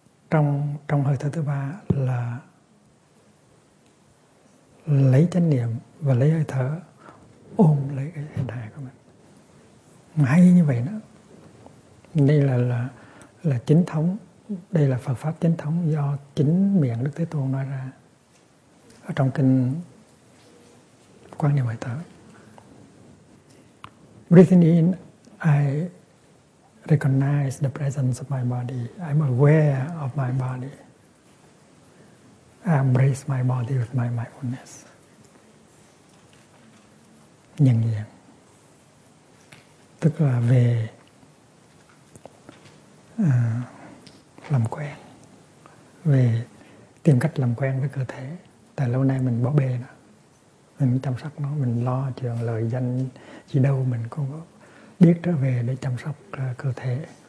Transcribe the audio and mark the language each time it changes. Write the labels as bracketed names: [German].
[Vietnamese] Trong hơi thở thứ ba là lấy chánh niệm và lấy hơi thở ôm lấy cái hình hài của mình. Hay như vậy đó. Đây là chính thống, đây là Phật pháp chính thống do chính miệng Đức Thế Tôn nói ra ở trong kinh Quán Niệm Hơi Thở. [English] Breathing in, I recognize the presence of my body. I'm aware of my body. I embrace my body with my mindfulness. [Vietnamese] Nhận diện. Tức là về làm quen, về tìm cách làm quen với cơ thể. Tại lâu nay mình bỏ bê nó, mình chăm sóc nó, mình lo chuyện lời danh gì đâu, mình cũng biết trở về để chăm sóc cơ thể.